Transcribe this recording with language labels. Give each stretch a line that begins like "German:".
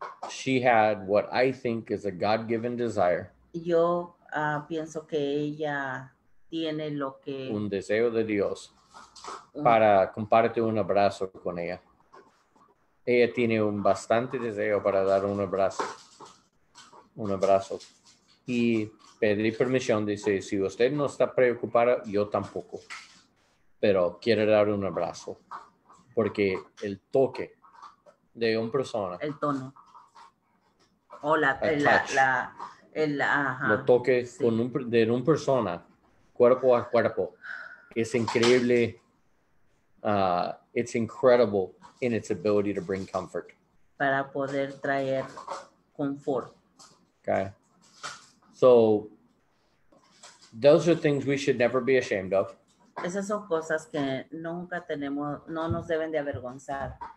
English: she had what I think is a God-given desire.
Spanish: Yo pienso que ella tiene lo que... Un deseo de Dios para compartir un abrazo con ella. Ella tiene un bastante deseo para dar un abrazo. Un abrazo. Y pedir permisión, dice, si usted no está preocupada, yo tampoco. Pero quiere dar un abrazo. Porque el toque de una persona. El tono. O la el toque sí. Con un, de una persona, cuerpo a cuerpo, es increíble.
English: It's incredible in its ability to bring comfort.
Spanish: Para poder traer confort.
English: Okay. So, those are things we should never be ashamed of.
Spanish: Esas son cosas que nunca tenemos, no nos deben de avergonzar.